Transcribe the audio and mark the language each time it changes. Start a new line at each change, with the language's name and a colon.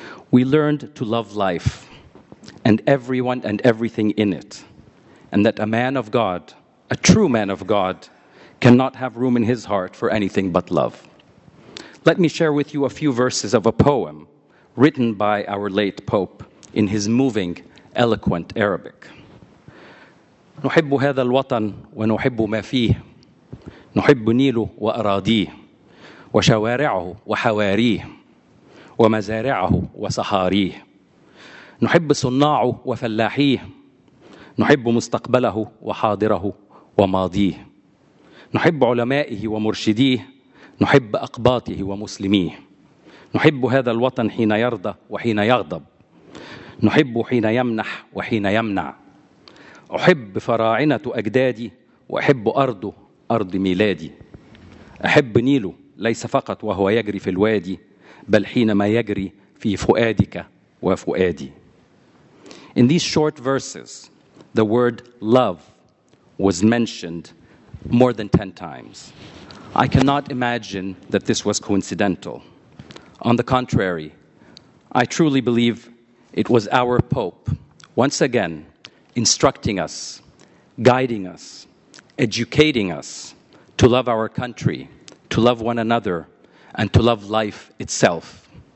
English: We learned to love life and everyone and everything in it, and that a man of God, a true man of God, cannot have room in his heart for anything but love. Let me share with you a few verses of a poem written by our late Pope in his moving, eloquent Arabic.
Arabic: نحب هذا الوطن ونحب ما فيه نحب نيله وأراضيه وشوارعه وحواريه ومزارعه وصحاريه. نحب صناعه وفلاحيه، نحب مستقبله وحاضره وماضيه، نحب علمائه ومرشديه، نحب أقباطه ومسلميه. نحب هذا الوطن حين يرضى وحين يغضب، نحب حين يمنح وحين يمنع. أحب فراعنة أجدادي، وأحب أرضه أرض ميلادي. أحب نيله ليس فقط وهو يجري في الوادي، بل حينما يجري في فؤادك وفؤادي.
English: In these short verses, the word love was mentioned more than 10 times. I cannot imagine that this was coincidental. On the contrary, I truly believe it was our Pope, once again, instructing us, guiding us, educating us to love our country, to love one another, and to love life itself.